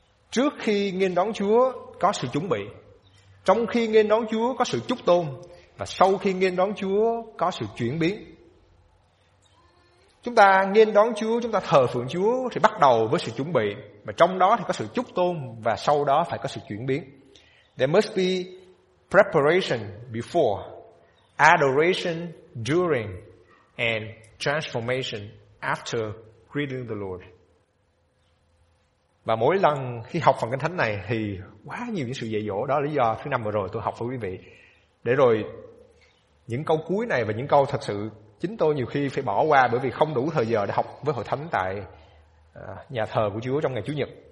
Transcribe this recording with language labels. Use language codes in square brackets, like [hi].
[vi] Trước khi nghênh đón Chúa có sự chuẩn bị, trong khi nghênh đón Chúa có sự chúc tôn, và sau khi nghênh đón Chúa có sự chuyển biến. Chúng ta nghênh đón Chúa, chúng ta thờ phượng Chúa thì bắt đầu với sự chuẩn bị, và trong đó thì có sự chúc tôn, và sau đó phải có sự chuyển biến. [en] There must be preparation before, adoration during, and transformation after greeting the Lord. [vi] Và mỗi lần khi học phần kinh thánh này thì quá nhiều những sự dạy dỗ. Đó là lý do thứ năm vừa rồi tôi học với quý vị. Để rồi những câu cuối này và những câu thật sự chính tôi nhiều khi phải bỏ qua bởi vì không đủ thời giờ để học với hội thánh tại nhà thờ của Chúa trong ngày Chủ nhật.